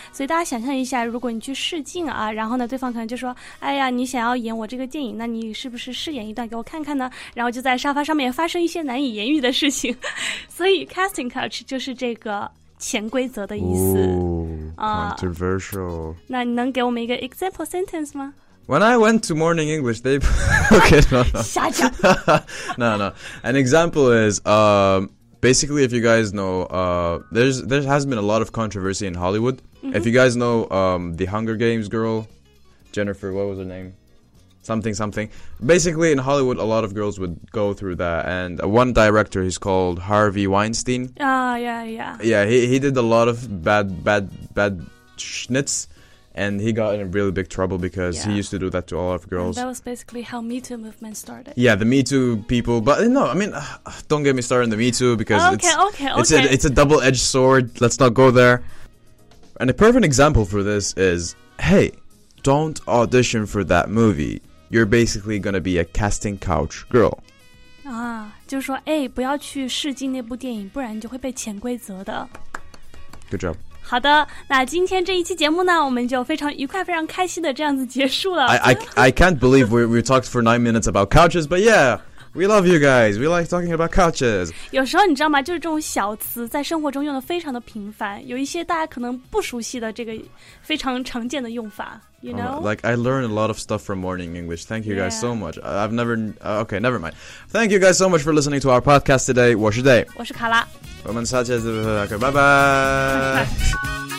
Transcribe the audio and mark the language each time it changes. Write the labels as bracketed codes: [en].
[zh] 所以大家想象一下，如果你去试镜啊，然后呢对方可能就说，哎呀你想要演我这个电影，那你是不是试演一段给我看看呢，然后就在沙发上面发生一些难以言喻的事情。所以 casting couch 就是这个潜规则的意思。 [en] Ooh, controversial. [zh] 那你能给我们一个 example sentence 吗？ [en] When I went to Morning English, they... okay, no. [zh] 瞎讲。 [en] No, no. An example is, basically, if you guys know, there has been a lot of controversy in Hollywood.、 Mm-hmm. If you guys know the Hunger Games girl, Jennifer, what was her name? Something, something. Basically, in Hollywood, a lot of girls would go through that. And one director, he's called Harvey Weinstein. Yeah. He did a lot of bad schnitz. And he got in really big trouble because、yeah. he used to do that to all of girls.、 And、that was basically how Me Too movement started. Yeah, the Me Too people. But no, I mean, don't get me started on the Me Too because it's a double-edged sword. Let's not go there. And a perfect example for this is, hey, don't audition for that movie. You're basically gonna be a casting couch girl. [zh] 就是说，哎，不要去试镜那部电影，不然你就会被潜规则的。 [en] Good job. [zh] 好的，那今天这一期节目呢，我们就非常愉快、非常开心的这样子结束了。 [en] I can't believe we talked for 9 minutes about couches, but yeah. We love you guys. We like talking about couches. [zh] 有时候你知道吗？就是这种小词在生活中用的非常的频繁，有一些大家可能不熟悉的这个非常常见的用法。 [en] You know,、 like I learned a lot of stuff from Morning English. Thank you guys、 yeah. so much. I've never. Okay, never mind. Thank you guys so much for listening to our podcast today. [zh] 我是 Day. 我是卡拉。我们下期再见。 [en] Okay, bye bye.